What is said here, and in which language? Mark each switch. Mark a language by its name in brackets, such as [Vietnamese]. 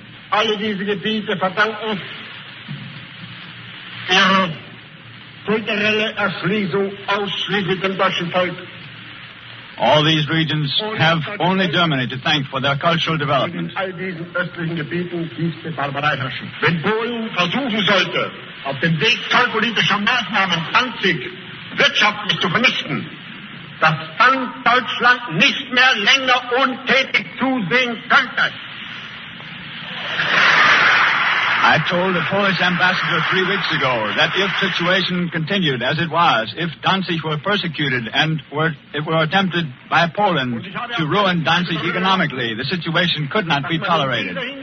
[German] Alle diese Gebiete verdanken ihre kulturelle Erschließung ausschließlich dem deutschen Volk. [English] All these regions have only Germany to thank for their cultural development. [German] In all diesen östlichen Gebieten tiefste Barbarei herrschen. Wenn Polen versuchen sollte, auf dem Weg zollpolitischer Maßnahmen Danzig wirtschaftlich zu vernichten, dass dann Deutschland nicht mehr länger untätig zusehen könnte. [English] I told the Polish ambassador 3 weeks ago that if the situation continued as it was, if Danzig were persecuted and were attempted by Poland to ruin Danzig economically, the situation could not be tolerated.